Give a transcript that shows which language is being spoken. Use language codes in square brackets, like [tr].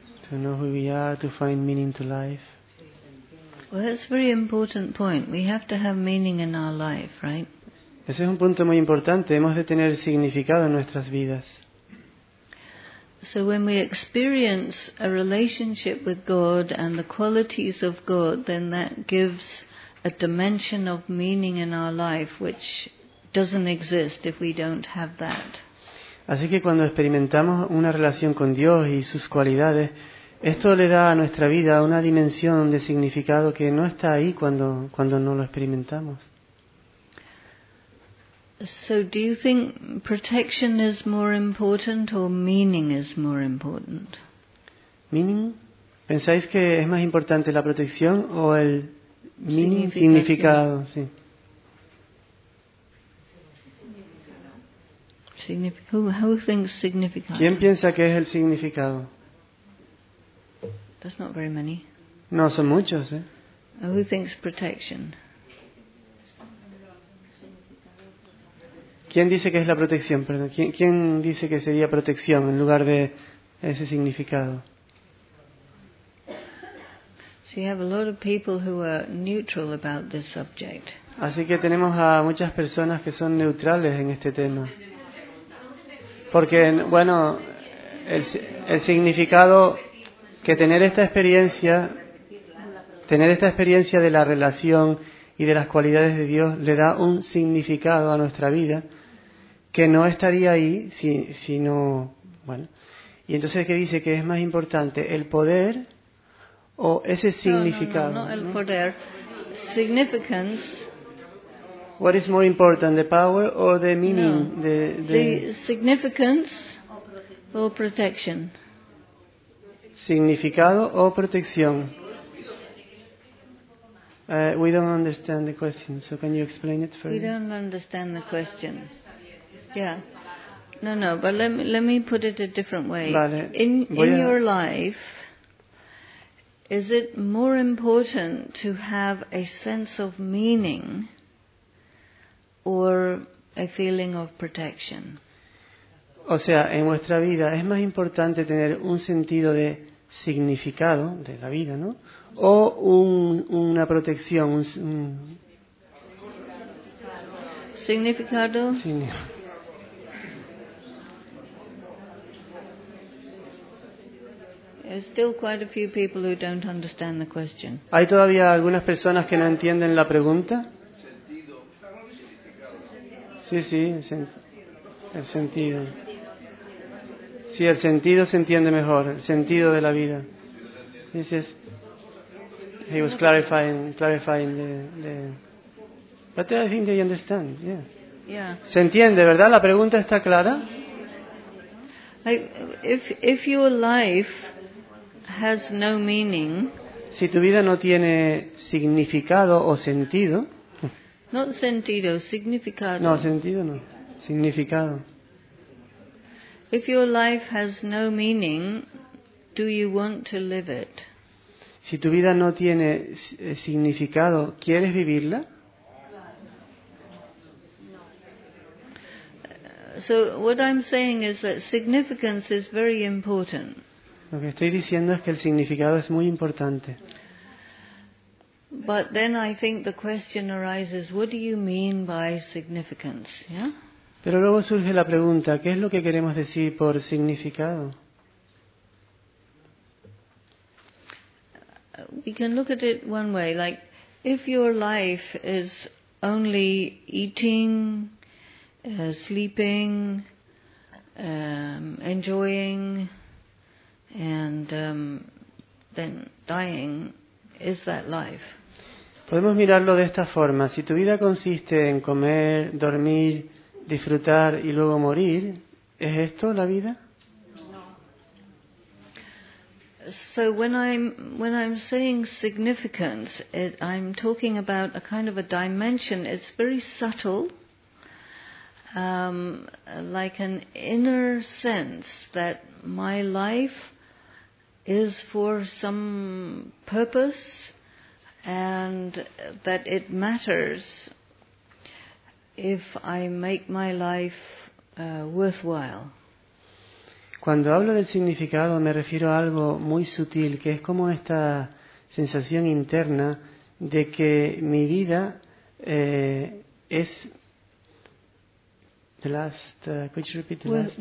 [en] To know who we are, to find meaning to life. Well, that's a very important point. We have to have meaning in our life, right? [es] Ese es un punto muy importante. Hemos de tener significado en nuestras vidas. [en] So when we experience a relationship with God and the qualities of God, then that gives a dimension of meaning in our life which doesn't exist if we don't have that. [es] Así que cuando experimentamos una relación con Dios y sus cualidades, esto le da a nuestra vida una dimensión de significado que no está ahí cuando no lo experimentamos. [en] So do you think protection is more important or meaning is more important? Meaning? [es] ¿Pensáis que es más importante la protección o el meaning, significado? Sí. [en] Who thinks significado? [es] ¿Quién piensa que es el significado? [en] That's not very many. [es] No, son muchos, ¿eh? [en] Who thinks protection? [es] ¿Quién dice que es la protección? Perdón. ¿Quién dice que sería protección en lugar de ese significado? [en] So you have a lot of people who are neutral about this subject. [es] Así que tenemos a muchas personas que son neutrales en este tema. Porque, bueno, el significado que tener esta experiencia tener esta experiencia de la relación y de las cualidades de Dios le da un significado a nuestra vida que no estaría ahí si no, bueno. Y entonces, ¿qué dice? ¿Qué es más importante, el poder o ese significado? No, el poder. Significance. [en] What is more important, the power or the meaning? No. The significance or protection. [es] Significado o protección. [en] We don't understand the question, so can you explain it for me? We don't understand the question. Yeah. No, but let me put it a different way. [es] Vale. [en] In your life, is it more important to have a sense of meaning or a feeling of protection? [es] O sea, en vuestra vida, ¿es más importante tener un sentido de significado de la vida, ¿no? O una protección, significado. [en] There's still quite a few people who don't understand the question. [es] ¿Hay todavía algunas personas que no entienden la pregunta? Sí, el sentido. Sí, el sentido se entiende mejor, el sentido de la vida. [en] He was clarifying the. But I think they understand, yeah. Yeah. [es] Se entiende, ¿verdad? La pregunta está clara. [en] If your life has no meaning. [es] Si tu vida no tiene significado o sentido. [en] Not sentido, significado. [es] No, sentido no. Significado. [en] If your life has no meaning, do you want to live it? [es] Si tu vida no tiene significado, ¿quieres vivirla? [en] So what I'm saying is that significance is very important. [es] Lo que estoy diciendo es que el significado es muy importante. [en] But then I think the question arises, what do you mean by significance? Yeah? [es] Pero luego surge la pregunta, ¿qué es lo que queremos decir por significado? [en] We can look at it one way, like if your life is only eating, sleeping, enjoying, and then dying, is that life? [es] Podemos mirarlo de esta forma. Si tu vida consiste en comer, dormir, disfrutar y luego morir, ¿es esto la vida? No. [en] So when I'm saying significance, I'm talking about a kind of a dimension. It's very subtle, like an inner sense that my life is for some purpose and that it matters if I make my life worthwhile. [es] Cuando hablo del significado me refiero a algo muy sutil, que es como esta sensación interna de que mi vida es [en] the last could you repeat the last